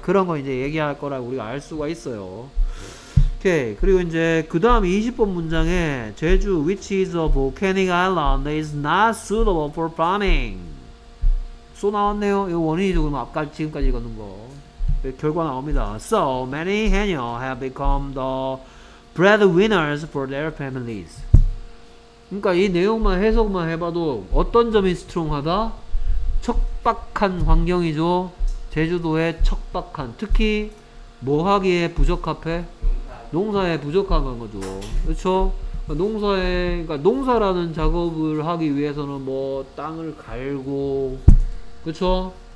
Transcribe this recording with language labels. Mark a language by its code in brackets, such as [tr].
[ko] 그런 거 이제 얘기할 거라고 우리가 알 수가 있어요. 오케이. 그리고 이제 그 다음 20번 문장에 제주 [en] which is a volcanic island is not suitable for farming. [ko] 쏘 나왔네요. 이거 원인이죠. 그럼 아까 지금까지 읽었던 거. 결과 나옵니다. [en] So many 해녀 have become the breadwinners for their families. [ko] 그러니까 이 내용만 해석만 해봐도 어떤 점이 스트롱하다? 척박한 환경이죠. 제주도의 척박한. 특히 뭐 하기에 부적합해? 농사에 부적합한 거죠. 그렇죠? 농사에 그러니까 농사라는 작업을 하기 위해서는 뭐 땅을 갈고 그렇죠?